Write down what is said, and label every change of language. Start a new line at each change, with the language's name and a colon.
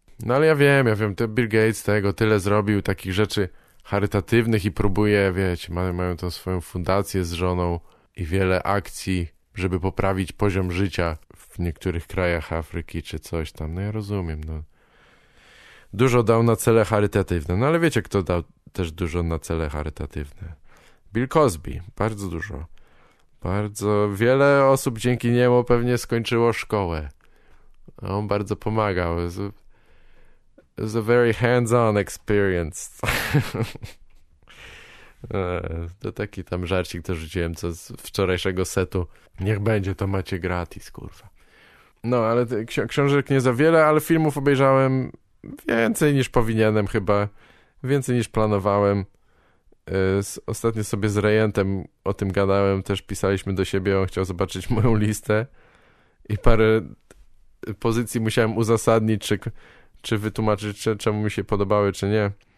Polish: No ale ja wiem, to Bill Gates tego tyle zrobił, takich rzeczy charytatywnych i próbuje, wiecie, mają tą swoją fundację z żoną i wiele akcji, żeby poprawić poziom życia w niektórych krajach Afryki czy coś tam. No ja rozumiem, no. Dużo dał na cele charytatywne. No ale wiecie, kto dał też dużo na cele charytatywne? Bill Cosby. Bardzo dużo. Bardzo wiele osób dzięki niemu pewnie skończyło szkołę. On bardzo pomagał.
English: It was a very hands-on experience.
Polish: To taki tam żarcik to rzuciłem co z wczorajszego setu. Niech będzie, to macie gratis, kurwa. No, ale książek nie za wiele, ale filmów obejrzałem więcej niż powinienem chyba. Więcej niż planowałem. Ostatnio sobie z Rejentem o tym gadałem, też pisaliśmy do siebie, on chciał zobaczyć moją listę i parę pozycji musiałem uzasadnić, czy wytłumaczyć, czemu mi się podobały, czy nie.